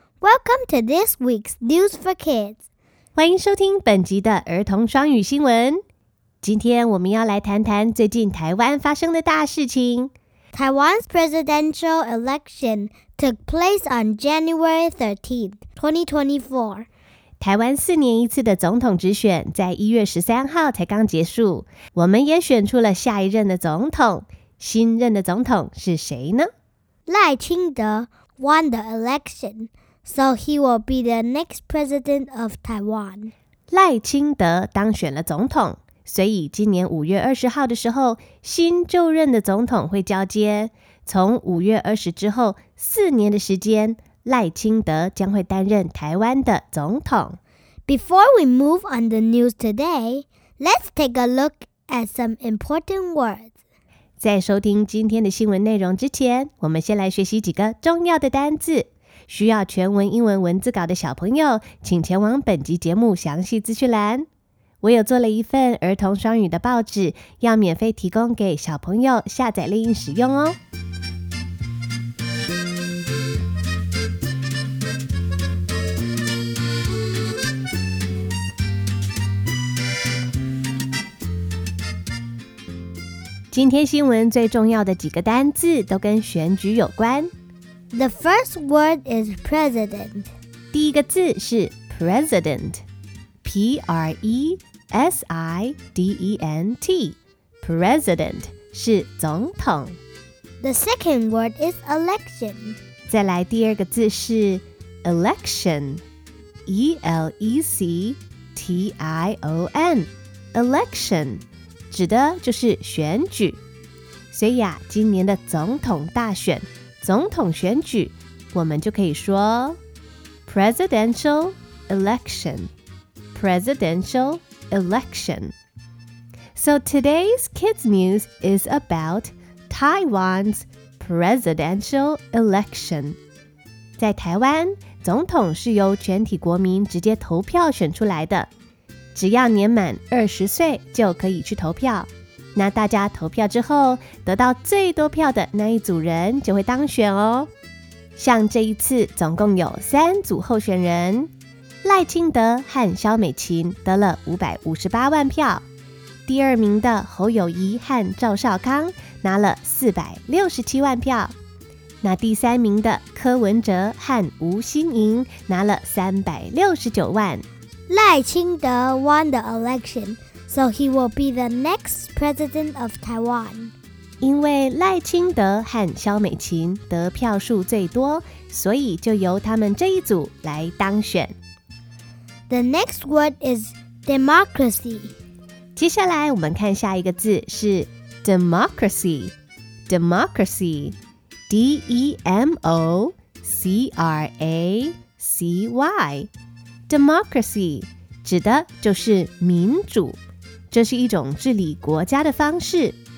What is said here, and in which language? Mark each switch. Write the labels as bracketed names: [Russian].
[English] Welcome to this week's News for Kids. [Chinese] 欢迎收听本集的儿童双语新闻。今天我们要来谈谈最近台湾发生的大事情。 [English] Taiwan's presidential election took place on January 13th, 2024. [Chinese] 台湾四年一次的总统直选在1月13号才刚结束。我们也选出了下一任的总统。新任的总统是谁呢？赖清德。 [English] Won the election, so he will be the next president of Taiwan. [Chinese] 赖清德当选了总统，所以今年5月20号的时候，新就任的总统会交接。从5月20之后，四年的时间，赖清德将会担任台湾的总统。 [English] Before we move on the news today, let's take a look at some important words. [Chinese] 在收听今天的新闻内容之前，我们先来学习几个重要的单字。需要全文英文文字稿的小朋友，请前往本集节目详细资讯栏。我有做了一份儿童双语的报纸，要免费提供给小朋友下载列印使用哦。今天新闻最重要的几个单字都跟选举有关。 [English] The first word is president. [Chinese] 第一个字是 president. P-R-E-S-I-D-E-N-T. President 是总统。 [English] The second word is election. [Chinese] 再来第二个字是 election. E-L-E-C-T-I-O-N. Election. 指的就是选举，所以啊，今年的总统大选、总统选举，我们就可以说 [English] presidential election, presidential election. So today's kids news is about Taiwan's presidential election. [Chinese] 在台湾，总统是由全体国民直接投票选出来的。只要年满20岁就可以去投票，那大家投票之后得到最多票的那一组人就会当选哦。像这一次总共有三组候选人，赖清德和萧美琴得了558万票，第二名的侯友宜和赵少康拿了467万票，那第三名的柯文哲和吴欣盈拿了369万。 [English] 赖清德 won the election, so he will be the next president of Taiwan. [Chinese] 因为赖清德和萧美琴得票数最多，所以就由他们这一组来当选。 [English] The next word is democracy. [Chinese] 接下来我们看下一个字是 democracy. [English] Democracy. D-E-M-O-C-R-A-C-Y. [Chinese] Democracy 指的就是民主，这是一种治理国家的方式。